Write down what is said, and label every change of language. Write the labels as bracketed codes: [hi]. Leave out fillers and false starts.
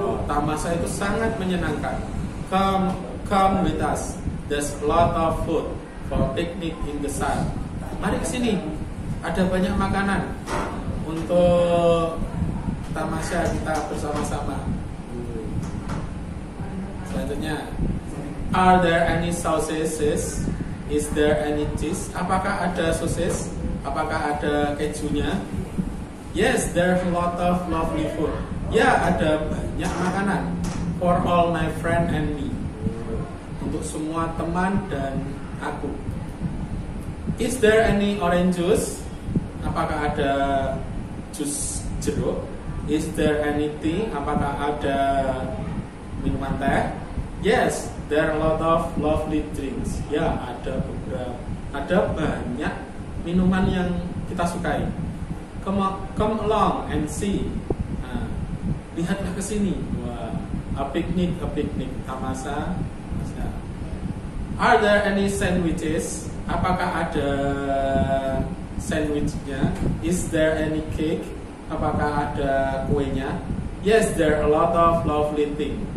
[id] Tamasya itu sangat menyenangkan. [en] Come with us. There's lot of food for picnic in the sun. [id] Mari ke sini. Ada banyak makanan untuk tamasya kita bersama-sama. [en] Selanjutnya, are there any sausages? Is there any cheese? [id] Apakah ada sosis? Apakah ada kejunya? [en] Yes, there's a lot of lovely food. [id] Ya, ada banyak makanan. [en] For all my friend and me. [id] Untuk semua teman dan aku. [en] Is there any orange juice? [id] Apakah ada jus jeruk? [en] Is there any tea? [id] Apakah ada minuman teh? [en] Yes, there are a lot of lovely drinks. [id] Ya, ada beberapa. Ada banyak minuman yang kita sukai. [en] Come along and see. [id] Nah, lihatlah ke sini. [en] Wah, a picnic. Tamasa. Are there any sandwiches? [id] Apakah ada sandwichnya? [en] Is there any cake? [id] Apakah ada kuenya? [en] Yes, there are a lot of lovely things.